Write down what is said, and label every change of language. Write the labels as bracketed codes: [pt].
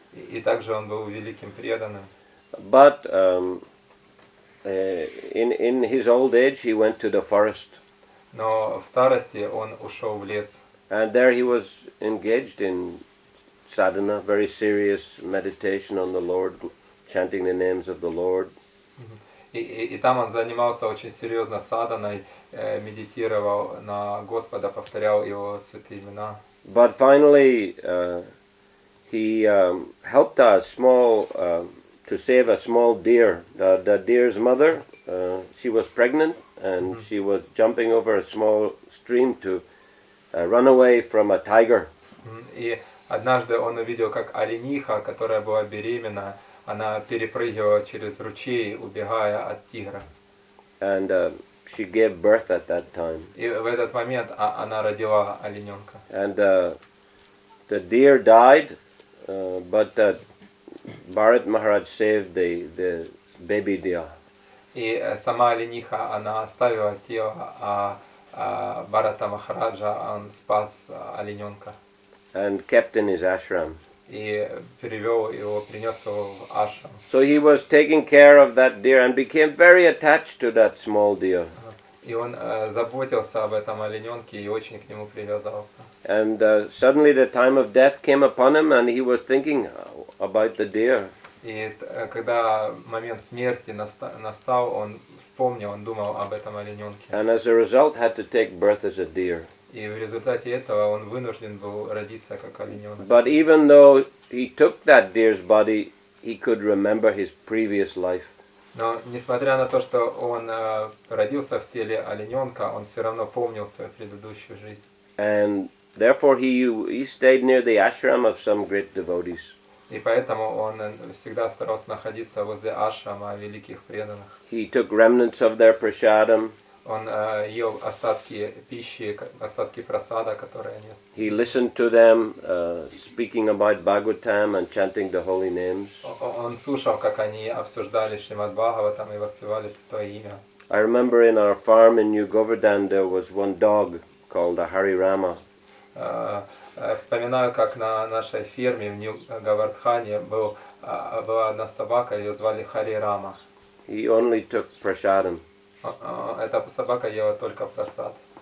[ru] И также он был великим преданным. [en] But in his old age he went to the forest. [ru] Но в старости он ушел в лес. [en] And there he was engaged in sadhana, very serious meditation on the Lord, chanting the names of the Lord. [ru] И там он занимался очень серьезно садханой, медитировал на Господа, повторял его святые имена. [en] But finally, he helped a small to save a small deer. The deer's mother, she was pregnant, and mm-hmm. she was jumping over a small stream to run away from a tiger. [ru] И однажды он увидел, как олениха, которая была беременна, она перепрыгивала через ручей, убегая от тигра. [en] And she gave birth at that time. [ru] И в этот момент она родила олененка. [en] And the deer died, but Bharat Maharaj saved the baby deer. [ru] И сама олениха, она оставила тело, а Бхарата Махараджа, он спас олененка. [en] And kept in his ashram. [ru] И перевел его, принес его в ашрам. [en] So he was taking care of that deer and became very attached to that small deer. [ru] И он заботился об этом олененке и очень к нему привязался. [en] And suddenly the time of death came upon him and he was thinking about the deer. [ru] И когда момент смерти настал, он вспомнил, он думал об этом олененке. [en] And as a result had to take birth as a deer. [ru] И в результате этого он вынужден был родиться как олененок. [en] But even though he took that deer's body, he could remember his previous life. [ru] Но несмотря на то, что он родился в теле олененка, он все равно помнил свою предыдущую жизнь. [en] And therefore he stayed near the ashram of some great devotees. [ru] И поэтому он всегда старался находиться возле ашрама великих преданных. [en] He took remnants of their prasadam. [ru] Он ел остатки пищи, остатки прасада, которые они. [en] He listened to them speaking about Bhagavatam and chanting the holy names. [ru] Он слушал, как они обсуждали Шримад Бхагаватам и воспевали Святое Имя. [en] I remember in our farm in New Govardhan there was one dog called a Hari Rama. [ru] Вспоминаю, как на нашей ферме в Нью Говардхане была одна собака, ее звали Хари Рама. [en] He only took prasadam. [ru] Эта собака ела только прасад.